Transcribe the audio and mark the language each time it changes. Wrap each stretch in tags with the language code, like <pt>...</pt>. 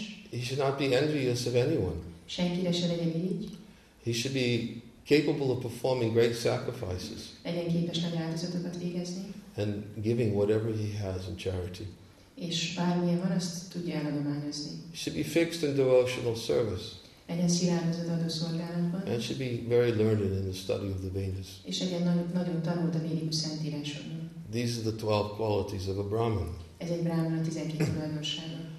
<en>He should not be envious of anyone.</en> <hu>Senkire se legyen irigy.</hu> <en>He should be capable of performing great sacrifices.</en> <hu>Legyen képes nagy áldozatokat végezni.</hu> <en>And giving whatever he has in charity.</en> <hu>És bármilyen van, azt tudja eladományozni.</hu> <en>He should be fixed in devotional service.</en> <hu>Legyen szilárdozott adó szolgálatban.</hu> <en>And should be very learned in the study of the Vedas.</en> <hu>És legyen nagyon tanult a védikus szentírásokban.</hu> <en>These are the 12 qualities of a Brahmin.</en> <hu>Ez egy brahmana 12 tulajdonsága.</hu>